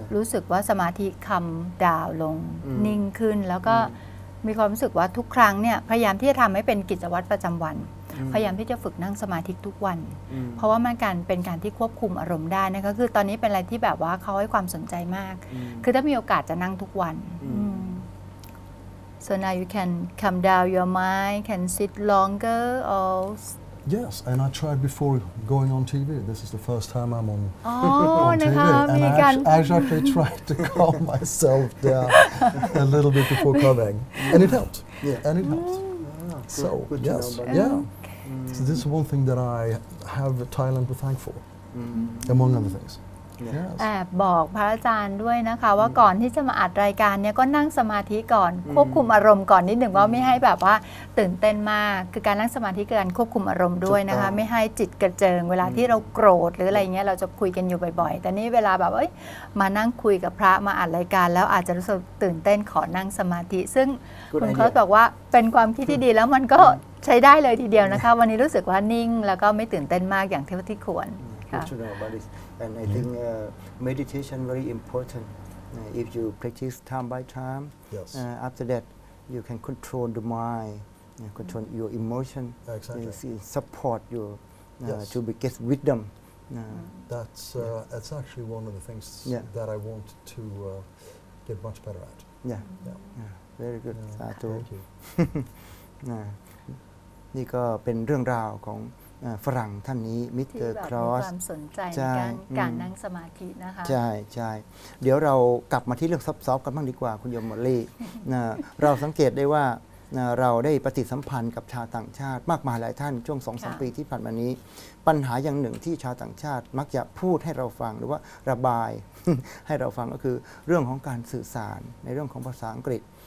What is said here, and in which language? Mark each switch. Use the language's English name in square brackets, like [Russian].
[Thai] รู้สึกว่าสมาธิคำดาวลงนิ่งขึ้นแล้วก็มีความรู้สึกว่าทุกครั้งเนี่ยพยายามที่จะทำให้เป็นกิจวัตรประจำวันพยายามที่จะฝึกนั่งสมาธิทุกวันเพราะว่ามันการเป็นการที่ควบคุมอารมณ์ได้นะคะคือตอนนี้เป็นอะไรที่แบบว่าเขาให้ความสนใจมากคือถ้ามีโอกาสจะนั่งทุกวัน [English] So now you can calm down your mind, can sit longer or... Yes, and I tried before going on TV. This is the first time I'm on, on TV. And I actually tried to calm myself down a little bit before coming. And it helped. Yeah. And it helped. So, good yes. Yeah. So this is one thing that I have Thailand to thank for, among other things. Yes. [Thai] แอบบอกพระอาจารย์ด้วยนะคะว่าก่อนที่จะมาอัดรายการเนี่ยก็นั่งสมาธิก่อนควบคุมอารมณ์ก่อนนิดหนึ่งว่าไม่ให้แบบว่าตื่นเต้นมากคือการนั่งสมาธิการควบคุมอารมณ์ด้วยนะคะไม่ให้จิตกระเจิงเวลาที่เราโกรธหรืออะไรเงี้ยเราจะคุยกันอยู่บ่อยๆแต่นี่เวลาแบบมานั่งคุยกับพระมาอัดรายการแล้วอาจจะรู้สึกตื่นเต้นขอนั่งสมาธิซึ่งคุณเขาบอกว่าเป็นความคิดที่ดีแล้วมันก็ใช้ได้เลยทีเดียวนะคะวันนี้รู้สึกว่านิ่งแล้วก็ไม่ตื่นเต้นมากอย่างที่ควรค่ [English] ะAnd I think meditation very important. If you practice time by time, after that, you can control the mind, control your emotion, support you to get wisdom. That's actually one of the things that I want to get much better at. Yeah. Very good. Thank you. [Thai] นี่ก็เป็นเรื่องราวของฝรั่งท่านนี้มิสเตอร์ครอส มีความสนใจในการนั่งสมาธินะคะ ใช่ใช่เดี๋ยวเรากลับมาที่เรื่องซับซ้อนกันบ้างดีกว่าคุณยมมอลลี่เราสังเกตได้ว่าเราได้ปฏิสัมพันธ์กับชาวต่างชาติมากมายหลายท่านช่วง 2-3 ปีที่ผ่านมานี้ปัญหาอย่างหนึ่งที่ชาวต่างชาติมักจะพูดให้เราฟังหรือว่าระบายให้เราฟังก็คือเรื่องของการสื่อสารในเรื่องของภาษาอังกฤษ